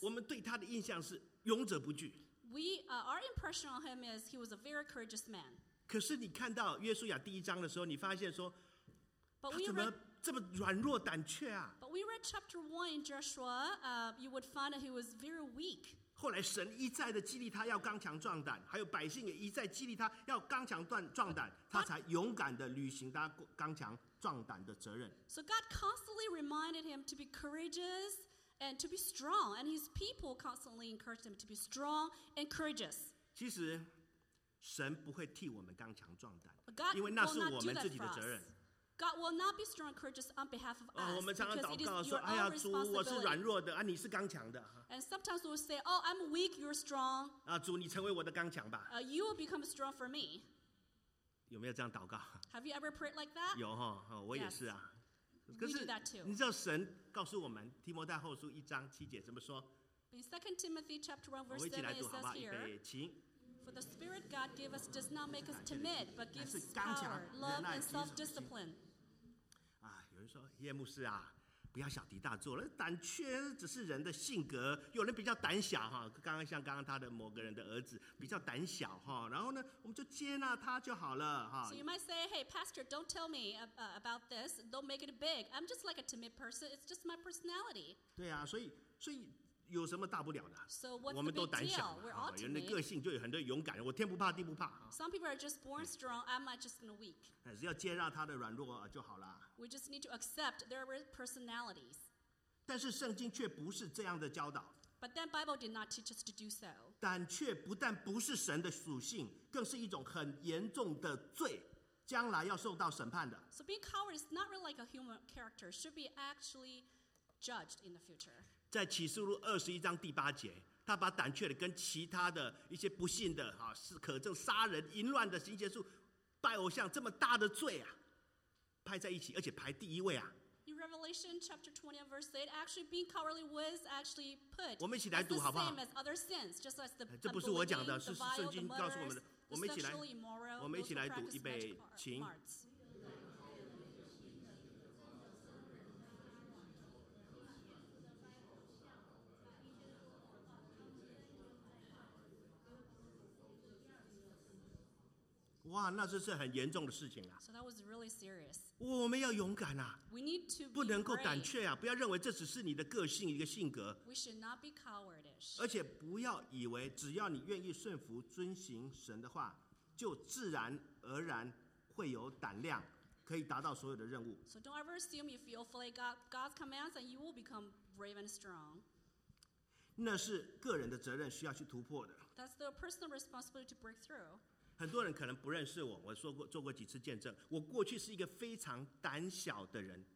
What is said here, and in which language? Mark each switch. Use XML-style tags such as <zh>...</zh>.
<zh>我们对他的印象是勇者不惧。</zh> <en>Our impression on him is he was a very courageous man.</en> <zh>可是你看到约书亚第一章的时候，你发现说</zh> <en>，But</en> <zh>他怎么这么软弱胆怯啊</zh> <en>？But we read chapter 1 in Joshua, you would find that he was very weak.</en> <zh>后来神一再的激励他要刚强壮胆，还有百姓也一再激励他要刚强壮胆，他才勇敢的履行他刚强壮胆的责任。</zh> <en>So God constantly reminded him to be courageous and to be strong, and his people constantly encouraged him to be strong and courageous.</en> <zh>其实神不会替我们刚强壮胆，</zh> <en>God、</en> <zh>因为那是我们自己的责任。</zh> <en>God will not be strong and courageous on behalf of us.</en> <zh>我们常常祷告说，哎呀，主，我是软弱的，啊，你是刚强的。</zh> <en>And sometimes we'll say, oh, I'm weak, you're strong.</en> <zh>啊，主，你成为我的刚强吧。</zh> <en>You will become strong for me.</en> <zh>有没有这样祷告？</zh> <en>Have you ever prayed like that?</en> <zh>有哈，我也是啊。</zh> <en>We do that too.</en> <zh>你知道神告诉我们，提摩太后书一章七节怎么说？</zh> <en>In 2 Timothy chapter 1 verse 7 it says here,</en> <zh>请。</zh> <en>For the Spirit God gave us does not make us timid, but gives power, love, and self-discipline.</en> <zh>啊，有人说叶牧师啊，不要小题大做了，胆怯只是人的性格。有人比较胆小哈，刚刚他的某个人的儿子比较胆小哈，然后呢，我们就接纳他就好了哈。</zh> <en>So you might say, hey, Pastor, don't tell me about this. Don't make it big. I'm just like a timid person. It's just my personality.</en> <zh>对啊，所以。有什么大不了的？</zh> <en>So、</en> <zh>我们都胆小啊！人的个性就有很多勇敢，我天不怕地不怕。</zh> <en>Some people are just born strong. I'm just weak.</en> <zh>只要接纳他的软弱就好了。</zh> <en>We just need to accept their personalities.</en> <zh>但是圣经却不是这样的教导。</zh> <en>But then Bible did not teach us to do so.</en> <zh>胆怯不但不是神的属性，更是一种很严重的罪，将来要受到审判的。</zh> <en>So being coward is not really like a human character. Should be actually judged in the future.</en> <zh>在启示录二十一章第八节，他把胆怯的跟其他的一些不信的啊，是可证杀人、淫乱的行邪术、拜偶像这么大的罪啊，排在一起，而且排第一位啊。</zh> <en>In Revelation chapter 20 verse 8, actually being cowardly was actually put.</en> <zh>我们一起来读好不好？</zh> <en>The same as other sins, just as the</en> <zh>这不是我讲的，是圣经告诉我们的。我们一起来，</zh> <en>immoral,</en> <zh>我们一起来读，预备，请。哇，那这是很严重的事情啊。</zh> <en>So that was really serious.</en> <zh>我们要勇敢啊。</zh> <en>We need to be</en> <zh>不能够胆怯啊，不要认为这只是你的个性一个性格。</zh> <en>We should not be cowardish.</en> <zh>而且不要以为只要你愿意顺服遵行神的话，就自然而然会有胆量，可以达到所有的任务。</zh> <en>So don't ever assume if you obey God's commands and you will become brave and strong.</en> <zh>那是个人的责任需要去突破的。</zh> <en>That's the personal responsibility to break through.</en> <zh>很多人可能不认识我，我说过做过几次见证，我过去是一个非常胆小的人。</zh>